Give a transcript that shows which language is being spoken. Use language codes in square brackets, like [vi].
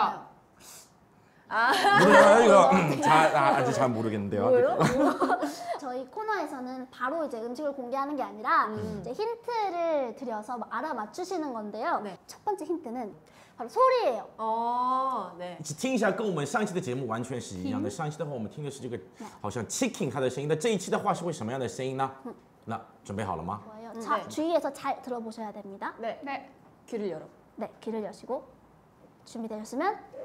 [ko] 뭐야? 뭐야 이거 아직 잘 모르겠는데요. 저희 코너에서는 바로 이제 음식을 공개하는 게 아니라 이제 힌트를 드려서 알아맞추시는 건데요. 네. 첫 번째 힌트는 바로 소리예요. 네. [zh] 听一下跟我们上期的节目完全是一样的。上期的话我们听的是这个好像chicken它的声音，那这一期的话是会什么样的声音呢？那准备好了吗？ [ko] 자, 주의해서 잘 들어보셔야 됩니다. 네. 네. 귀를 열어. 네, 귀를 여시고 준비되셨으면.